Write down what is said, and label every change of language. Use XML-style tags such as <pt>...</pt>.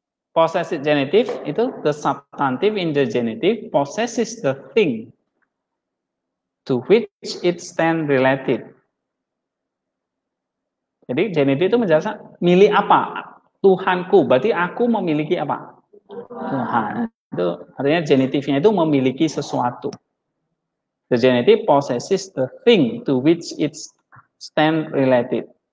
<en>Possessive genitive</en> <id>itu</id> <en>the substantive in the genitive possesses the thing to which it stand related.</en> <id>Jadi genitif itu menjelaskan milik apa? Tuhanku, berarti aku memiliki apa? Tuhan. Itu artinya genitifnya itu memiliki sesuatu.</id> <en>The genitive possesses the thing to which it stand related.</en>